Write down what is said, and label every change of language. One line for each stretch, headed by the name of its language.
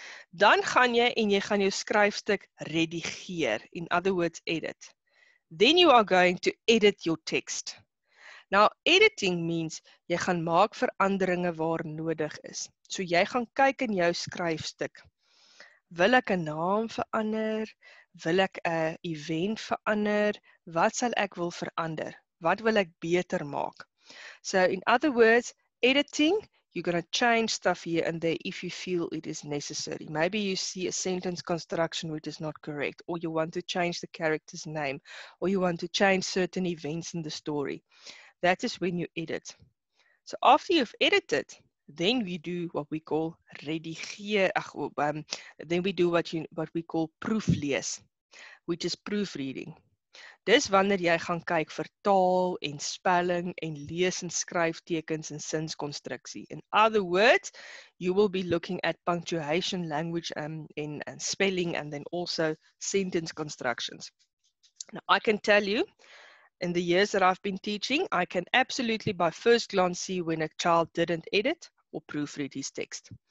Afrikaans: Dan gaan jy en jy gaan jou skryfstuk redigeer,
English: in other words, edit. Then you are going to edit your text. Now, editing means
Afrikaans: jy gaan maak veranderinge waar nodig is. So jy gaan kyk in jou skryfstuk. Wil ek 'n naam verander? Wil ek 'n event verander? Wat sal ek wil verander? Wat wil ek beter maak?
English: So in other words, editing, you're going to change stuff here and there if you feel it is necessary. Maybe you see a sentence construction which is not correct, or you want to change the character's name, or you want to change certain events in the story. That is when you edit. So after you've edited, then we do what we call redigeer, then we do what we call proeflees, which is proofreading.
Afrikaans: Dis wanneer jy gaan kyk vir taal en spelling en lees en skryftekens en sinskonstruksie.
English: In other words, you will be looking at punctuation, language and spelling, and then also sentence constructions. Now I can tell you, in the years that I've been teaching, I can absolutely by first glance see when a child didn't edit or proofread his text.